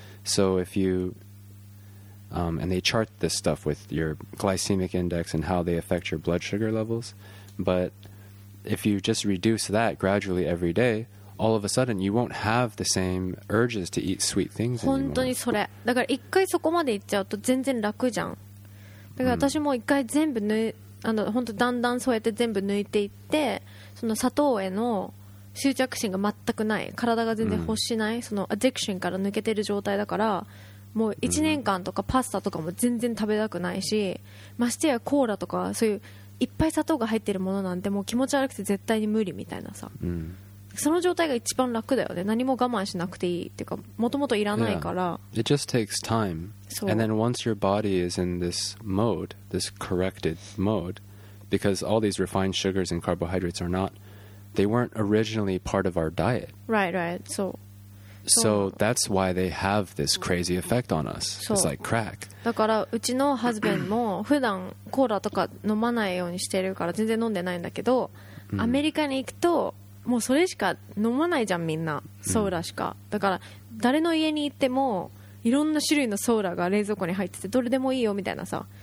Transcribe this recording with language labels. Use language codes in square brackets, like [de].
[en] So if you...、and they chart this stuff with your glycemic index and how they affect your blood sugar levels. But if you just reduce that gradually every day... All of a sudden, you won't have the same urges to eat sweet things anymore. [ja] 本当にそれ。だから一回そこまで行っちゃうと全然楽じゃん。だから私も一回全部抜い、あの、本当だんだんそうやって全部抜いていって、その砂糖への執着心が全くない。体が全然欲しない。そのアディクションから抜けてる状態だから、もう1年間とかパスタとかも全然食べたくないし、ましてやコーラとかそういういっぱい砂糖が入ってるものなんてもう気持ち悪くて絶対に無理みたいなさ。その状態が一番楽だよね。何も我慢しなくていいっていうか、もともといらないから。 [en] Yeah. It just takes time. And then once your body is in this mode, this corrected mode, because all these refined sugars and carbohydrates are not, they weren't originally part of our diet. Right, right. So, so that's why they have this crazy effect on us. It's like crack. [ja] だからうちのハズベンも普段コーラとか飲まないようにしてるから全然飲んでないんだけど、アメリカに行くと。もうそれしか飲まないじゃんみんなソーラしか、うん、だから誰の家に行ってもいろんな種類のソーラが冷蔵庫に入っててどれでもいいよみたいなさ、